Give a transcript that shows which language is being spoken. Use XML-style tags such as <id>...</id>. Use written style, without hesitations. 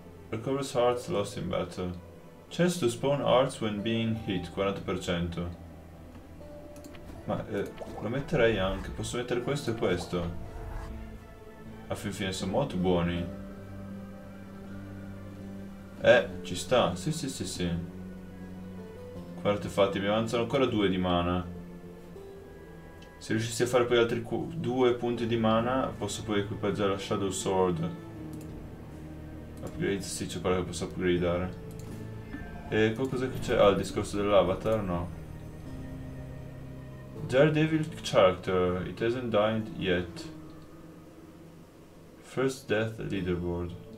<en>Recovers hearts lost in battle. Chance to spawn hearts when being hit, 40%.</en> <it>Ma lo metterei anche. Posso mettere questo e questo. A fin fine sono molto buoni. Ci sta. Sì. Guardate, fatti, mi avanzano ancora 2 di mana. Se riuscissi a fare poi altri 2 punti di mana, posso poi equipaggiare la Shadow Sword. Upgrade, sì, c'è quella che posso upgradare. E cos'è che c'è? Ah, il discorso dell'avatar, no.</it> <en>Daredevil character, it hasn't died yet. First death leaderboard.</en>